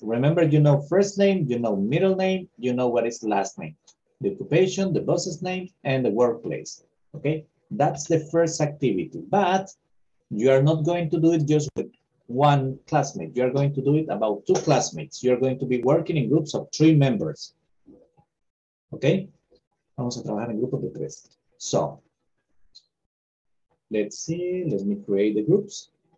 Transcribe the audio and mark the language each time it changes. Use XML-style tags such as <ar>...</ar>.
<en>Remember, you know first name, you know middle name, you know what is last name. The occupation, the boss's name, and the workplace. Okay, that's the first activity. But you are not going to do it just with one classmate. You are going to do it about two classmates. You are going to be working in groups of three members.</en> <es>Okay, vamos a trabajar en grupos de tres.</es> <en>So, let's see, let me create the groups.</en>